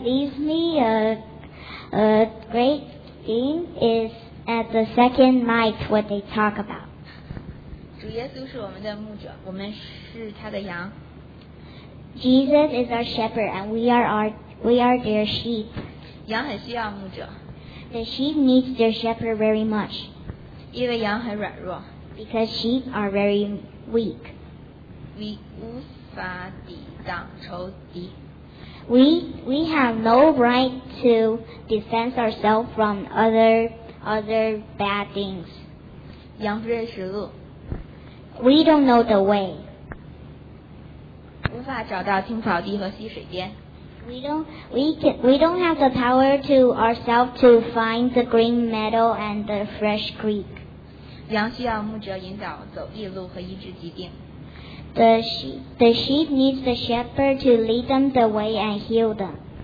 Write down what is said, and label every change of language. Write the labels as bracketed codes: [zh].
[en] What leaves me a great thing is at the second night what they talk about. [zh] 主耶稣是我们的牧者，我们是他的羊。 [en] Jesus is our shepherd and we are their sheep. [zh] 羊很需要牧者。 [en] The sheep needs their shepherd very much. [zh] 因为羊很软弱。 [en] Because sheep are very weak. We [zh] 无法抵挡仇敌。 [en] We have no right to defend ourselves from other bad things. [zh] 羊不认识路。 [en] We don't know the way. [zh] 无法找到青草地和溪水边。 [en] We don't have the power to ourselves to find the green meadow and the fresh creek. [zh] 羊需要牧者引导走义路和医治疾病。 [en] The sheep needs the shepherd to lead them the way and heal them.